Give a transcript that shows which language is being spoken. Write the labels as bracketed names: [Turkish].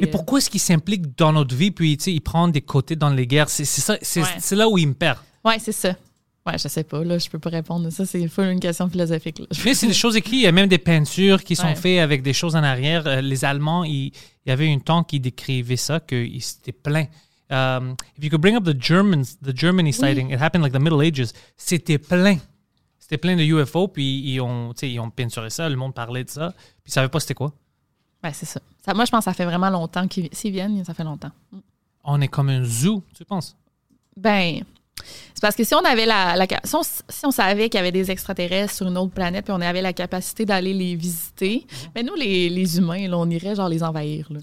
[French] Mais pourquoi est-ce qu'ils s'impliquent dans notre vie, puis tu sais, ils prennent des côtés dans les guerres? C'est là où ils me perdent. Ouais, c'est ça. Ouais, je sais pas, là, je peux pas répondre à ça. C'est full une question philosophique, là. Mais c'est des choses écrites. Il y a même des peintures qui sont faites avec des choses en arrière. Les Allemands, il y avait un temps qui décrivait ça, que c'était plein. [English] If you could bring up the Germany sighting, it happened like the Middle Ages. [French] C'était plein. C'était plein de UFO, puis ils ont peinturé ça. Le monde parlait de ça. Puis ils savaient pas c'était quoi. Ouais, c'est ça. Moi, je pense que ça fait vraiment longtemps s'ils viennent, ça fait longtemps. On est comme un zoo, tu penses? Ben. C'est parce que si on avait si on savait qu'il y avait des extraterrestres sur une autre planète puis on avait la capacité d'aller les visiter, ben nous les humains là, on irait genre les envahir là.